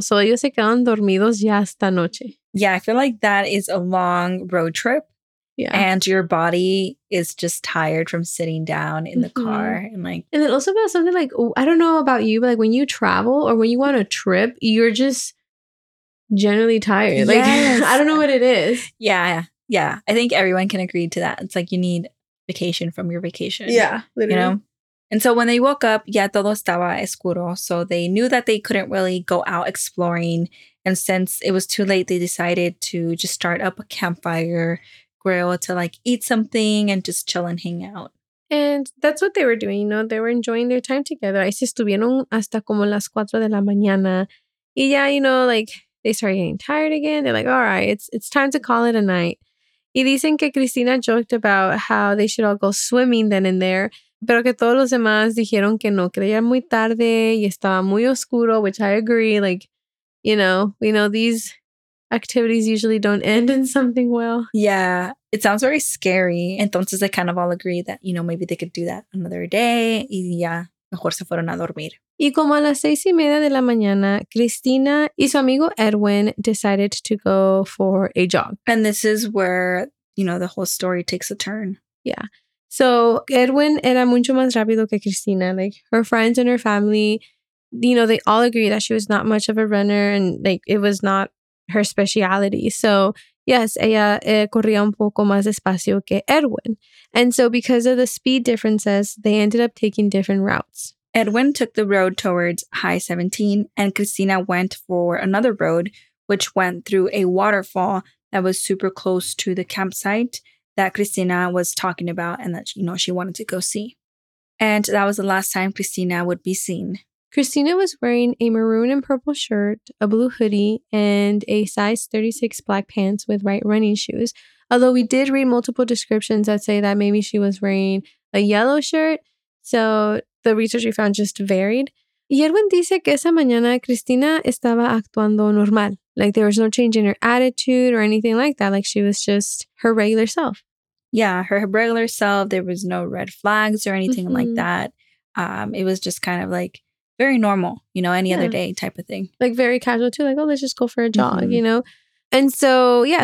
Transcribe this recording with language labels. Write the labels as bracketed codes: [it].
[es] So ellos se quedaron dormidos ya hasta noche. [en] Yeah, I feel like that is a long road trip. Yeah. And your body is just tired from sitting down in the mm-hmm. car. And like, and then also about something like, I don't know about you, but like when you travel or when you go on a trip, you're just generally tired. Yes. Like, I don't know what it is. Yeah. Yeah. I think everyone can agree to that. It's like you need vacation from your vacation. Yeah. Literally. You know? And so when they woke up, [es] ya todo estaba oscuro. [en] So they knew that they couldn't really go out exploring. And since it was too late, they decided to just start up a campfire grill to like eat something and just chill and hang out. And that's what they were doing, you know? They were enjoying their time together. [es] Ahí se estuvieron hasta como las 4 de la mañana. Y ya, [en] you know, like they started getting tired again. They're like, all right, it's time to call it a night. [es] Y dicen que [en] Cristina joked about how they should all go swimming then and there. [es] Pero que todos los demás dijeron que no, que ya era muy tarde y estaba muy oscuro, [en] which I agree. Like, you know, we know these activities usually don't end in something well. Yeah, it sounds very scary. Entonces, they kind of all agree that, you know, maybe they could do that another day. [es] Y ya, mejor se fueron a dormir. Y como a las 6:30 de la mañana, Cristina y su amigo Edwin [en] decided to go for a jog. And this is where, you know, the whole story takes a turn. Yeah. [es] So Edwin era mucho más rápido que Cristina. [en] Like her friends and her family, you know, they all agree that she was not much of a runner and like it was not her speciality. So yes, [es] ella corría un poco más despacio que Edwin. [en] And so because of the speed differences, they ended up taking different routes. Edwin took the road towards High 17 and Cristina went for another road, which went through a waterfall that was super close to the campsite that Cristina was talking about and that, you know, she wanted to go see. And that was the last time Cristina would be seen. Cristina was wearing a maroon and purple shirt, a blue hoodie, and a size 36 black pants with white running shoes. Although we did read multiple descriptions that say that maybe she was wearing a yellow shirt. So the research we found just varied. [es] Y Edwin dice que esa mañana Cristina estaba actuando normal. [en] Like there was no change in her attitude or anything like that. Like she was just her regular self. Yeah, her regular self. There was no red flags or anything mm-hmm. like that. It was just kind of like very normal, you know, any yeah. other day type of thing. Like very casual too. Like, oh, let's just go for a jog, mm-hmm. you know? And so, yeah.